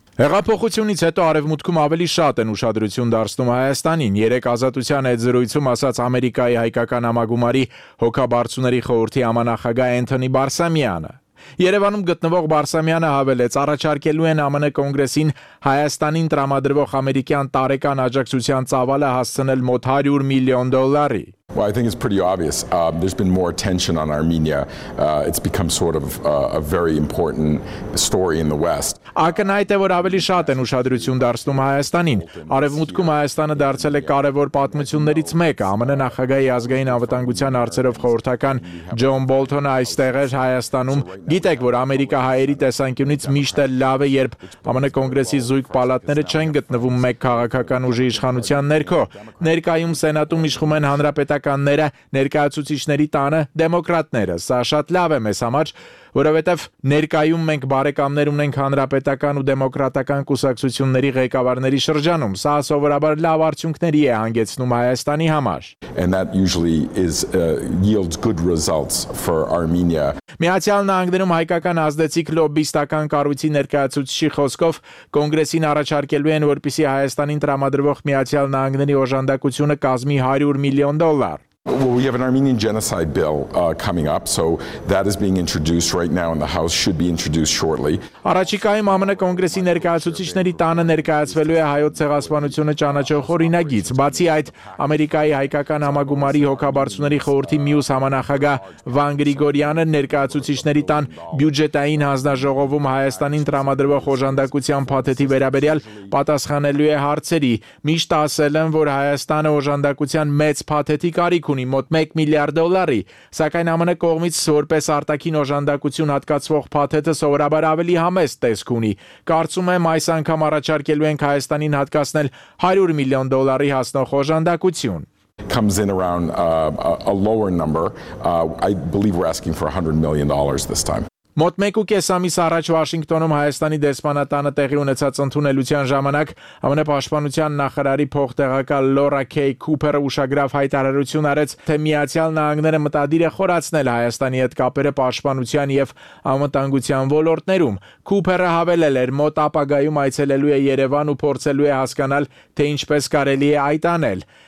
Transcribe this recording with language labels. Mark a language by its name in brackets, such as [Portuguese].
[Armenian] Հեղափոխությունից հետո արևմուտքում ավելի շատ են ուշադրություն դարձնում Հայաստանին։ Երեկ ազատության այդ զրույցում ասաց Ամերիկայի հայկական համագումարի հոգաբարձուների խորհրդի համանախագահ Անթոնի Բարսամյանը։ Երևանում գտնվող Բարսամյանը հավելեց, առաջարկելու են ԱՄՆ կոնգրեսին Հայաստանին տրամադրվող ամերիկյան տարեկան աջակցության ծավալը հասցնել մոտ $100 միլիոն։ [English] Well, I think it's pretty obvious. There's been more attention on Armenia. It's become sort of a very important story in the West. [Armenian] Ակնհայտ է, որ ավելի շատ են ուշադրություն դարձնում Հայաստանին։ Արևմուտքում Հայաստանը դարձել է կարևոր պատմություններից մեկը։ ԱՄՆ նախագահի ազգային անվտանգության հարցերով խորհրդական Ջոն Բոլթոնը այստեղ էր Հայաստանում։ Գիտեք, որ Ամերիկա հայերի տեսանկյունից միշտ է լավ է, երբ ԱՄՆ կոնգրեսի զույգ պալատները չեն գտնվում մեկ քաղաքական ուժի իշխանության ներքո։ Ներկայում Սենատում իշխում են հանրապետ պետականները, ներկայացուցիչների տանը, դեմոկրատները։ Սա շատ լավ է մեզ համար, որովհետև ներկայում մենք բարեկամներ ունենք հանրապետական ու դեմոկրատական կուսակցությունների ղեկավարների շրջանում։ Սա սովորաբար լավ արդյունքների է հանգեցնում Հայաստանի համար։ [English] And that usually is yields good results for Armenia. [Armenian] Միացյալ Նահանգներում հայկական ազդեցիկ լոբիստական կառույցի ներկայացուցիչի խոսքով կոնգրեսին առաջարկելու են, որպեսզի Հայաստանին տրամադրվող Միացյալ Նահանգների օժանդակությունը կազմի $100 միլիոն։ [English] Well, we have an Armenian genocide bill coming up, so that is being introduced right now and the House should be introduced shortly. [Armenian] Արաչիկայում ԱՄՆ կոնգրեսի ներկայացուցիչների տանը ներկայացվելու է հայոց ցեղասպանությունը ճանաչող օրինագիծ։ Բացի այդ, Ամերիկայի հայկական համագումարի հոգաբարձուների խորհրդի մյուս համանախագահ Վան Գրիգորյանը ներկայացուցիչների տան բյուջետային հանձնաժողովում Հայաստանին տրամադրվող օժանդակության փաթեթի վերաբերյալ պատասխանելու է հարցերի։ Միշտ ասել են, որ Հայաստանը օժանդակության մեծ փաթեթի կարիք ունի, մոտ $1 միլիարդ, սակայն ԱՄՆ կողմից որպես արտաքին օժանդակություն հատկացվող փաթեթը սովորաբար ավելի համեստ տեսք ունի։ Կարծում եմ, այս անգամ առաջարկելու են Հայաստանին հատկացնել $100 միլիոն հասնող օժանդակություն։ [English] Comes in around a lower number. I believe we're asking for $100 million this time. [Armenian] Մոտ 1.5 ամիս առաջ Վաշինգտոնում Հայաստանի դեսպանատանը տեղի ունեցած ընդունելության ժամանակ ԱՄՆ պաշտպանության նախարարի փոխտեղակալ Լորա Քեյ Քուպերը ուշագրավ հայտարարություն արեց, թե Միացյալ Նահանգները մտադիր է խորացնել Հայաստանի հետ կապերը պաշտպանության և անվտանգության ոլորտներում։ Քուպերը հավելել էր, մոտ ապագայում այցելելու է Երևան ու փորձելու է հասկանալ, թե ինչպես կարելի է այդ անել։